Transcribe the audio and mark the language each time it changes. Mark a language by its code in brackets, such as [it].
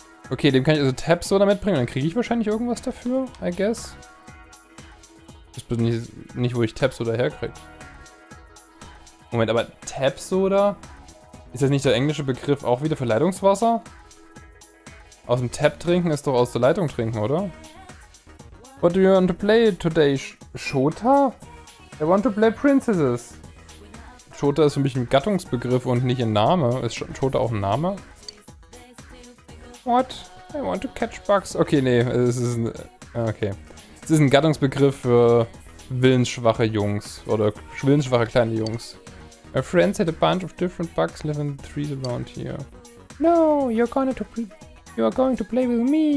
[de] Okay, dem kann ich also Tabs so damit bringen. Dann kriege ich wahrscheinlich irgendwas dafür, [en] I guess. [de] Ich weiß nicht, wo ich Tabsoda herkriege. Moment, aber Tabsoda? Ist das nicht der englische Begriff auch wieder für Leitungswasser? Aus dem Tab trinken ist doch aus der Leitung trinken, oder? [en] What do you want to play today, Shota? I want to play Princesses. [de] Shota ist für mich ein Gattungsbegriff und nicht ein Name. Ist Shota auch ein Name? What? [en] I want to catch bugs. [de] Okay, nee, es ist ein... Okay. Es ist ein Gattungsbegriff für willensschwache Jungs oder willensschwache kleine Jungs. [en] My friends had a bunch of different bugs living in the trees around here. No, you are going to play with me.